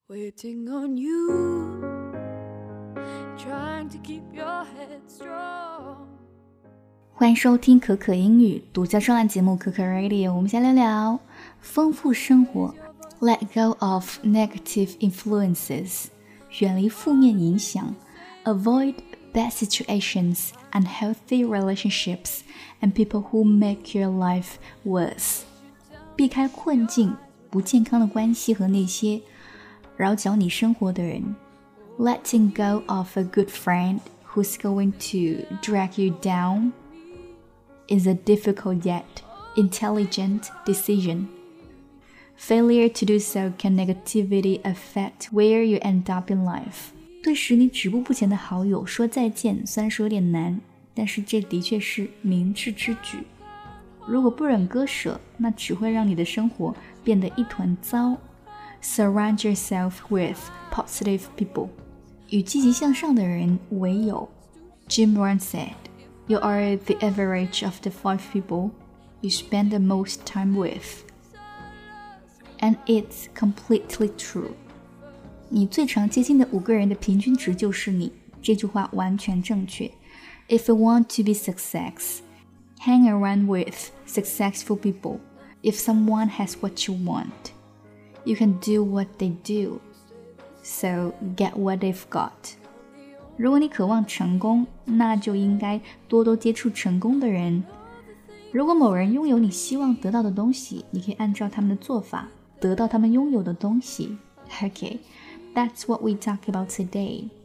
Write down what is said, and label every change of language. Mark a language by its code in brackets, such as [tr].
[en] Waiting on you, trying to keep your head strong. [zh] 欢迎收听可可英语独家专栏节目可可 Radio， 我们先聊聊丰富生活。 [en] Let go of negative influences， [zh] 远离负面影响。 [en] Avoid bad situations, unhealthy relationships, and people who make your life worse. [zh] 避开困境、不健康的关系和那些扰搅你生活的人。 [en] Letting go of a good friend who's going to drag you down is a difficult yet intelligent decision. Failure to do so can negativity affect where you end up in life. [zh] 对使你止步不前的好友说再见，虽然说有点难，但是这的确是明智之举。如果不忍割舍，那只会让你的生活变得一团糟。 [en] Surround yourself with positive people. [zh] 与积极向上的人为友。 [en] Jim Rohn said, You are the average of the five people you spend the most time with. And it's completely true. [zh] 你最常接近的五个人的平均值就是你。这句话完全正确。 [en] If you want to be successful, hang around with successful people. If someone has what you want, you can do what they do. So get what they've got. [zh] 如果你渴望成功，那就应该多多接触成功的人。如果某人拥有你希望得到的东西，你可以按照他们的做法。得到他们拥有的东西。 [en] Okay, that's what we talk about today.